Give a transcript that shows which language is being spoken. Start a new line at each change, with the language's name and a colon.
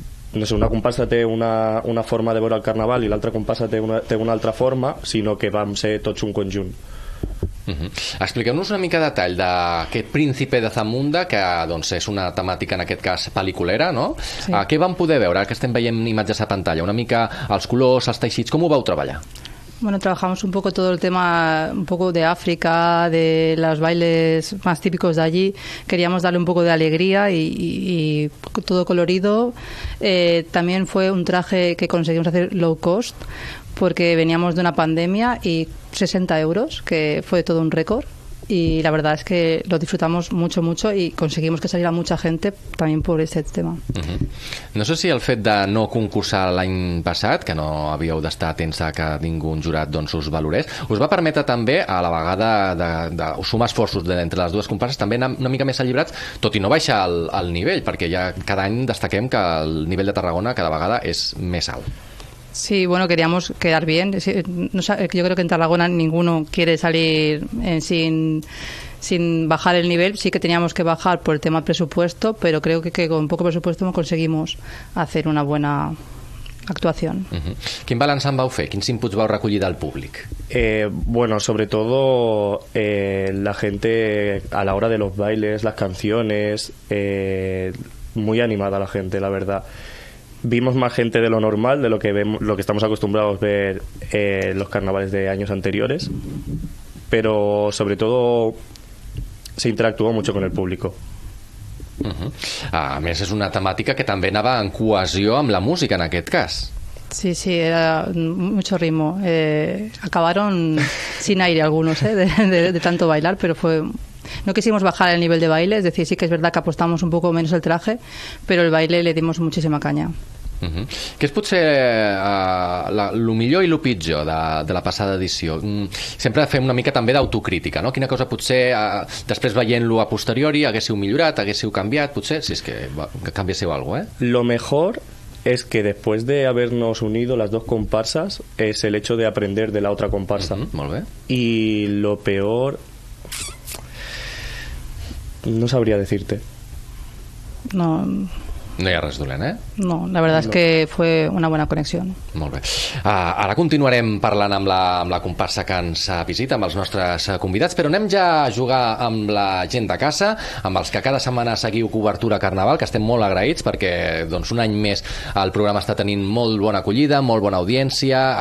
Catalan: no sé, una comparsa té una forma de veure el carnaval i l'altra comparsa té una altra forma, sinó que vam ser tots un conjunt. Expliqueu-nos una mica de detall d'aquest Príncipe de Zamunda, que doncs, és una temàtica, en aquest cas, pel·liculera, no? Sí. Què vam poder veure? Ara que estem veient imatges a pantalla, una mica els colors, els teixits, com ho vau treballar?
Spanish: Bueno, trabajamos un poco todo el tema un poco de África, de los bailes más típicos de allí. Queríamos darle un poco de alegría y todo colorido. También fue un traje que conseguimos hacer low cost porque veníamos de una pandemia y 60 euros, que fue todo un récord. Y la verdad es que lo disfrutamos mucho, mucho, y conseguimos que saliera mucha gente también por este tema.
Catalan: No sé si el fet de no concursar l'any passat, que no havíeu d'estar atents a que ningú un jurat doncs, us valorés, us va permetre també, a la vegada de sumar esforços entre les dues comparses, també anar una mica més allibrats, tot i no baixar el nivell, perquè ja cada any destaquem que el nivell de Tarragona cada vegada és més alt.
Spanish: Sí, bueno, queríamos quedar bien. Yo creo que en Tarragona ninguno quiere salir sin bajar el nivel. Sí que teníamos que bajar por el tema presupuesto, pero creo que con poco presupuesto conseguimos hacer una buena actuación.
Catalan: Quin balanç en vau fer? Quins inputs vau recollir del públic?
Spanish: Bueno, sobre todo la gente a la hora de los bailes, las canciones, muy animada la gente, la verdad. Vimos más gente de lo normal, de lo que vemos, lo que estamos acostumbrados a ver los carnavales de años anteriores, pero sobre todo se interactuó mucho con el público.
Catalan: A més, és una temàtica que també anava en cohesió amb la música, en aquest cas.
Spanish: Sí, sí, era mucho ritmo. Acabaron sin aire algunos, de tanto bailar, pero fue... No quisimos bajar el nivel de baile, es decir, sí que es verdad que apostamos un poco menos el traje, pero el baile le dimos muchísima caña.
Catalan: Què és potser el millor i el pitjor de la passada edició? Sempre fem una mica també d'autocrítica, no? Quina cosa potser, després veient-lo a posteriori, haguéssiu millorat, haguéssiu canviat, potser, si és que canviéssiu alguna cosa,
Spanish: Lo mejor es que después de habernos unido las dos comparsas, es el hecho de aprender de la otra comparsa.
Catalan: Molt bé.
Spanish: Y lo peor... No sabría decirte. No...
Catalan: No hi ha res dolent, eh?
Spanish: No, la verdad es que fue una buena conexión.
Catalan: Molt bé. Ara continuarem parlant amb la comparsa que ens visita, amb els nostres convidats, però anem ja a jugar amb la gent de casa, amb els que cada setmana seguiu Cobertura Carnaval, que estem molt agraïts perquè doncs, un any més el programa està tenint molt bona acollida, molt bona audiència.